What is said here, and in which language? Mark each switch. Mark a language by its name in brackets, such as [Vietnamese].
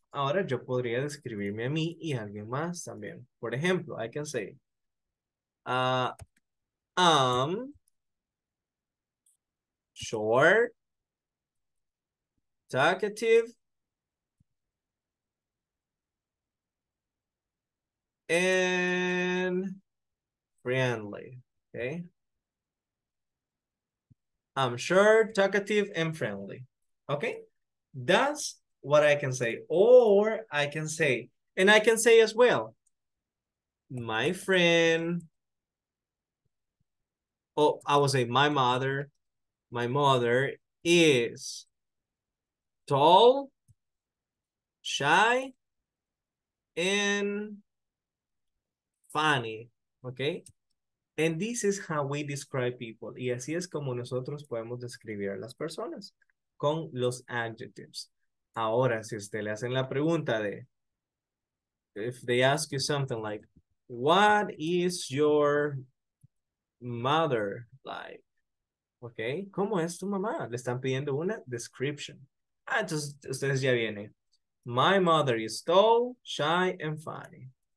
[Spanish] Ahora yo podría describirme a mí y a alguien más también. Por ejemplo, [English] I can say, I'm short, talkative, and friendly, okay? I'm sure, talkative, and friendly, okay? That's what I can say. Or I can say, and I can say as well, my friend, oh, I would say my mother is tall, shy, and funny, okay? And this is how we describe people. [Spanish] Y así es como nosotros podemos describir a las personas. Con los adjectives. Ahora, si usted le hacen la pregunta de... [English] If they ask you something like, what is your mother like? [Spanish] Okay, ¿cómo es tu mamá? Le están pidiendo una description. [English] Ah, [Spanish] entonces, ustedes ya vienen. [English] My mother is tall, shy, and funny.